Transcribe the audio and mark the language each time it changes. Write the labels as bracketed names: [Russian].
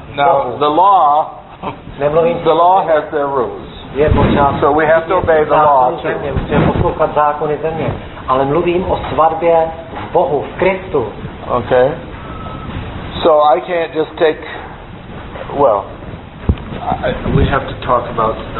[English] Now the law, the law has their rules. So we have to obey the law too. [Czech] Musíme poslouchat zákony země. Ale mluvím o svatbě v Bohu, v Kristu. [English] Okay. So I can't just take... Well, we have to talk about...